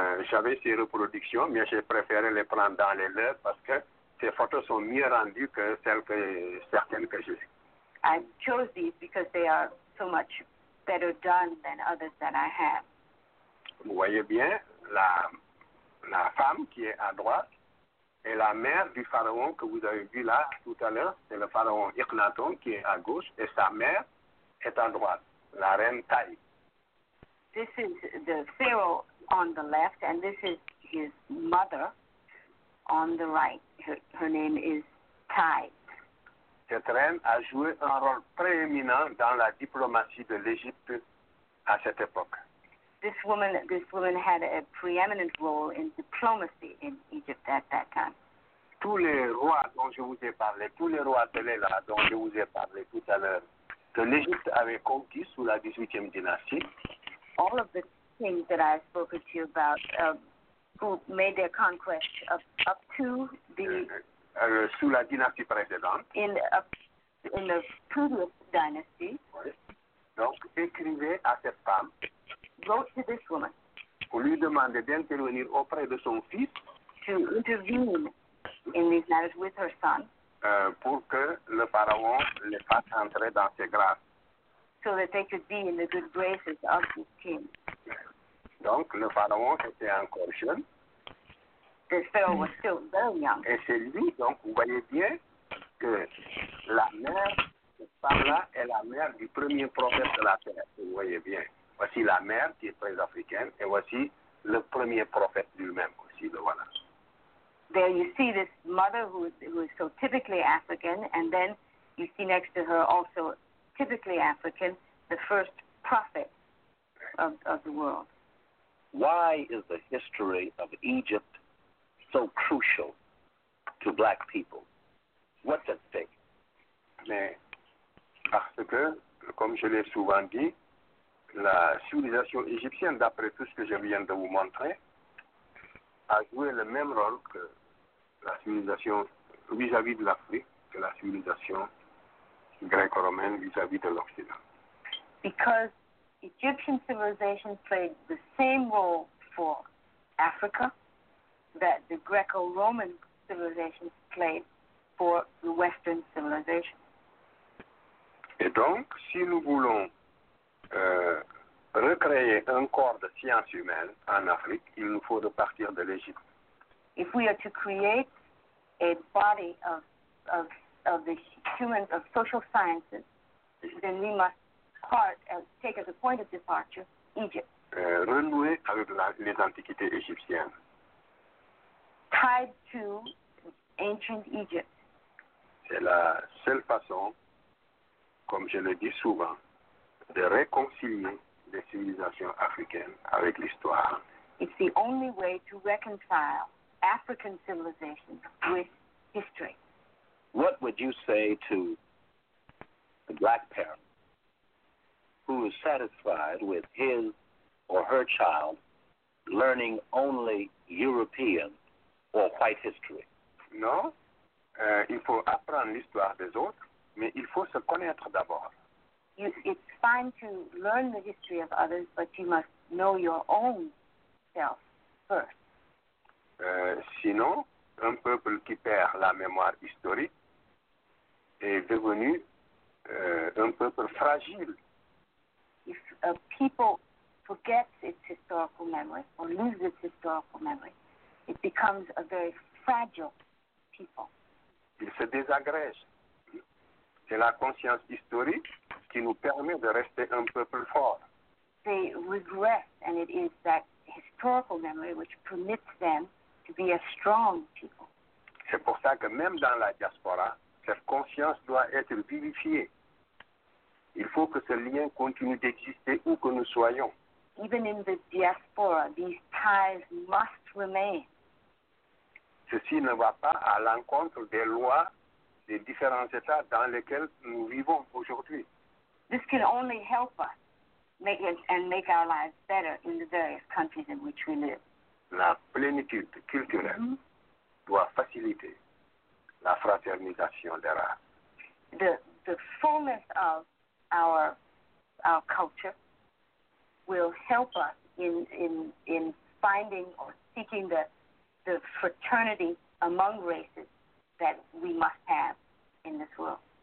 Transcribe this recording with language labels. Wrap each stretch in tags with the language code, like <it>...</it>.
<fr>J'avais ces reproductions, mais j'ai préféré les prendre dans les leurs parce que ces photos sont mieux rendues que celles que certaines que j'ai.</fr> <en>I chose these because they are so much better done than others that I have.</en> <fr>Vous voyez bien. La femme qui est à droite est la mère du pharaon que vous avez vu là tout à l'heure. C'est le pharaon Akhenaton qui est à gauche et sa mère est à droite, la reine Thaï.</fr> <en>This is the pharaoh on the left and this is his mother on the right. Her name is Thaï.</en> <fr>Cette reine a joué un rôle prééminent dans la diplomatie de l'Égypte à cette époque.</fr> <en>This woman had a preeminent role in diplomacy in Egypt at that time.</en> <fr>Tous les rois dont je vous ai parlé, tous les rois de l'Ela dont je vous ai parlé tout à l'heure, que l'Égypte avait conquis sous la 18e dynastie.</fr> <en>All of the things that I've spoken to you about who made their conquest up to the</en> <fr>sous la dynastie précédente.</fr> <en>In the previous dynasty.</en> <fr>Donc, écrivait à cette femme.</fr> <en>Wrote to this woman.</en> <fr>Pour lui demander d'intervenir auprès de son fils.</fr> <en>To intervene in these matters with her son.</en> <fr>Pour que le pharaon les fasse entrer dans ses grâces.</fr> <en>So that they could be in the good graces of his king.</en> <fr>Donc, le pharaon était encore jeune.</fr> <en>The pharaoh was still very young.</en> <fr>Et c'est lui, donc, vous voyez bien que la mère de Sarah est la mère du premier prophète de la terre. Vous voyez bien. Voici la mère qui est très africaine et voici le premier prophète lui-même aussi. Le voilà.</fr> <en>There you see this mother who is so typically African, and then you see next to her also typically African, the first prophet of the world. Why is the history of Egypt so crucial to black people? What's at stake?</en> <fr>Mais parce que, comme je l'ai souvent dit, la civilisation égyptienne, d'après tout ce que je viens de vous montrer, a joué le même rôle que la civilisation vis-à-vis de l'Afrique, que la civilisation gréco-romaine vis-à-vis de l'Occident.</fr> <en>Because Egyptian civilization played the same role for Africa that the Greco-Roman civilization played for the Western civilization.</en> <fr>Et donc, si nous voulons recréer un corps de science humaine en Afrique, il nous faut repartir de l'Égypte.</fr> <en>If we are to create a body of the humans of social sciences, then we must take as a point of departure Egypt.</en> <fr>Renouer avec les antiquités égyptiennes.</fr> <en>Tied to ancient Egypt.</en> <fr>C'est la seule façon, comme je le dis souvent, de réconcilier les civilisations africaines avec l'histoire.</fr> <en>It's the only way to reconcile African civilization with history. What would you say to the black parent who is satisfied with his or her child learning only European or white history?</en> <fr>Non, il faut apprendre l'histoire des autres, mais il faut se connaître d'abord.</fr> <en>It's fine to learn the history of others, but you must know your own self first.</en> <fr>Sinon, un peuple qui perd la mémoire historique est devenu un peuple fragile.</fr> <en>If a people forgets its historical memory or loses its historical memory, it becomes a very fragile people.</en> <fr>Il se désagrège. C'est la conscience historique qui nous permet de rester un peuple fort.</fr> <en>They regress, and it is that historical memory which permits them to be a strong people.</en> <fr>C'est pour ça que même dans la diaspora, cette conscience doit être vivifiée. Il faut que ce lien continue d'exister où que nous soyons.</fr> <en>Even in the diaspora, these ties must remain.</en> <fr>Ceci ne va pas à l'encontre des lois des différents états dans lesquels nous vivons aujourd'hui.</fr> <en>This can only help us make our lives better in the various countries in which we live.</en> <fr>La plénitude culturelle doit faciliter la fraternisation des races.</fr> <en>The fullness of our culture will help us in finding or seeking the fraternity among races that we must have in this world.</en>